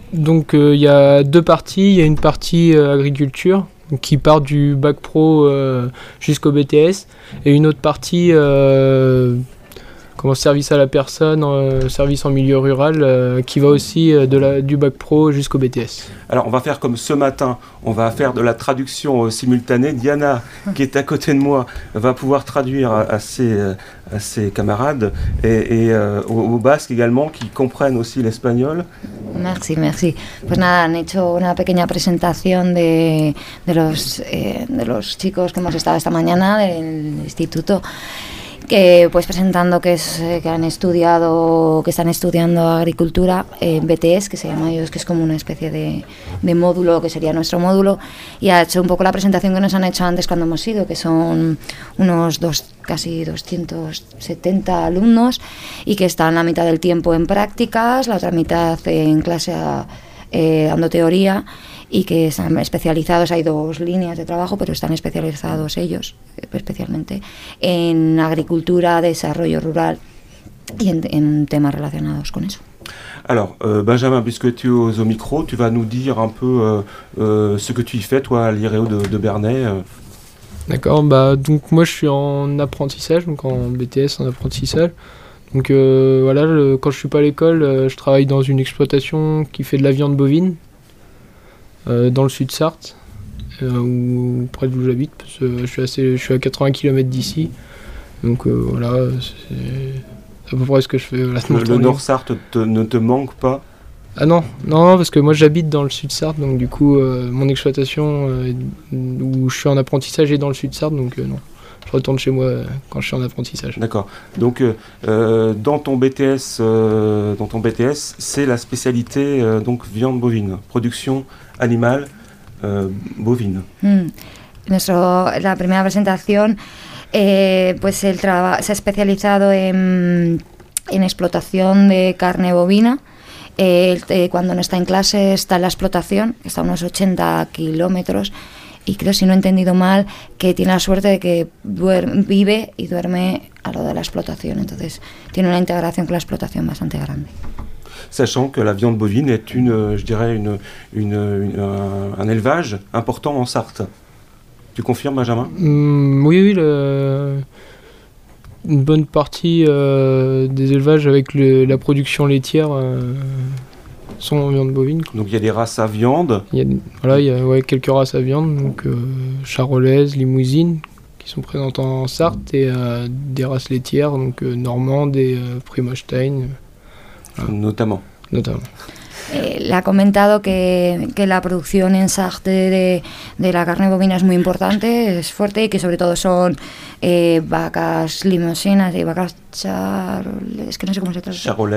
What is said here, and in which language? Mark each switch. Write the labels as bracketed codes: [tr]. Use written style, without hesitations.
[fr] Donc, il y a deux parties. Il y a une partie agriculture qui part du bac pro jusqu'au BTS, et une autre partie comme service à la personne, service en milieu rural, qui va aussi du bac pro jusqu'au BTS. Alors, on va faire comme ce matin, on va faire de la traduction simultanée. Diana, qui est à côté de moi, va pouvoir traduire à ses camarades et aux Basques également, qui comprennent aussi l'espagnol. Merci, merci. [es] Pues nada, han hecho una pequeña presentación de los chicos que hemos estado esta mañana del instituto. Que pues presentando que están estudiando agricultura en BTS, que se llama ellos, que es como una especie de módulo, que sería nuestro módulo, y ha hecho un poco la presentación que nos han hecho antes cuando hemos ido, que son unos casi 270 alumnos y que están la mitad del tiempo en prácticas, la otra mitad en clase dando teoría, y que están especializados, hay dos líneas de trabajo, pero están especializados ellos, especialmente, en agricultura, desarrollo rural y en temas relacionados con eso. [fr] Alors, Benjamin, puisque tu es au micro, tu vas nous dire un peu ce que tu y fais, toi, à l'IREO de Bernay. D'accord, bah, donc moi je suis en apprentissage, donc en BTS, en apprentissage. Donc voilà, quand je ne suis pas à l'école, je travaille dans une exploitation qui fait de la viande bovine, dans le sud Sarthe, ou près d'où j'habite, parce que je suis à 80 km d'ici. Donc voilà, c'est à peu près ce que je fais. Voilà, le nord Sarthe ne te manque pas? Ah non, non, parce que moi j'habite dans le sud Sarthe, donc du coup mon exploitation où je suis en apprentissage est dans le sud Sarthe, donc non. Je retourne chez moi quand je suis en apprentissage. D'accord. Donc, dans ton BTS, c'est la spécialité donc viande bovine, production animale bovine. La première présentation, [es] pues el trabajo se ha especializado en explotación de carne bovina. Cuando no está en clase, está en la explotación, está a unos 80 kilómetros. Y creo, si no he entendido mal, que tiene la suerte de que vive y duerme a lo de la explotación. Entonces, tiene una integración con la explotación bastante grande. [fr] Sachant que la viande bovine est une, je dirais, un élevage important en Sarthe. Tu confirmes, Benjamin? Oui, une bonne partie des élevages avec la production laitière sont en viande bovine. Donc il y a des races à viande. Il y a quelques races à viande, donc charolaise, limousine, qui sont présentes en Sarthe, et des races laitières, donc normande et primostein. Notamment. Notamment. [es] Le ha comentado que la producción en SAG de la carne bovina es muy importante, es fuerte, y que sobre todo son vacas limosinas y vacas charolaises, que no sé cómo se traduce.